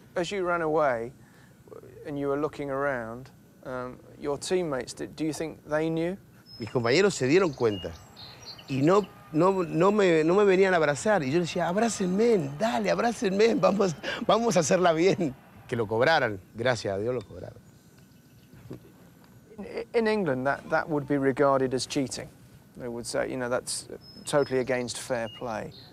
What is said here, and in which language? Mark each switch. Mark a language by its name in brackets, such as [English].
[English] As you ran away and you were looking around, your teammates, do you think they knew? [Spanish] Mis compañeros se dieron cuenta. Y no me venían a abrazar. Y yo decía, abrácenme, dale, abrácenme, vamos a hacerla bien. Que lo cobraran, gracias a Dios lo cobraron. [English] In England, that would be regarded as cheating. They would say, you know, that's totally against fair play.